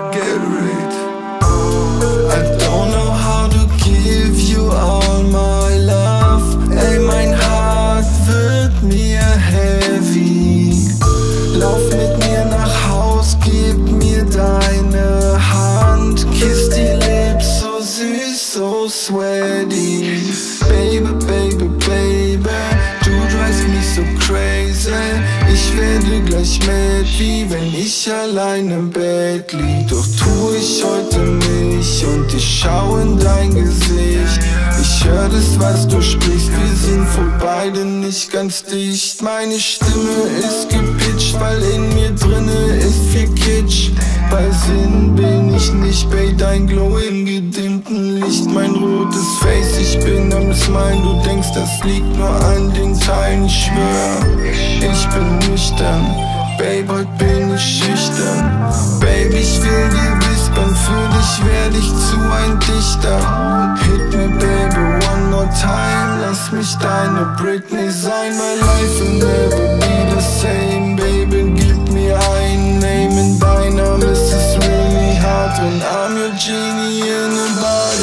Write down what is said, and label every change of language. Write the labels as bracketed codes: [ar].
[en] Get rid, get rid, get rid. I don't know how to give you all my love. [de] Ey, mein Herz wird mir [en] heavy. [de] Lauf mit mir nach Haus, gib mir deine Hand. Kiss die Lips, so süß, [en] so sweaty. [de] Baby, baby, baby, du drehst mich [en] so crazy. [de] Ich werde gleich [en] mad, [de] wie wenn ich allein im Bett lieg. Doch tu ich heute nicht und ich schau in dein Gesicht. Ich hör das, was du sprichst, wir sind wohl beide nicht ganz dicht. Meine Stimme ist gepitcht, weil in mir drinne ist viel Kitsch. Bei Sinn bin ich nicht, bei dein Glow im gedimmten Licht. Mein rotes Face, ich bin am Smile. Du denkst, das liegt nur an den Teilen. Ich schwör, ich bin nüchtern. Babe, heute bin ich schüchtern. Baby, ich will dir wispern. Für dich werd ich zu ein Dichter. [en] Hit me, baby, one more time. [de] Lass mich deine Britney sein. [en] My life will never be the same. [de] Baby, gib mir ein Name. In dein Name ist es [en] really hard. When I'm your genie in a bottle.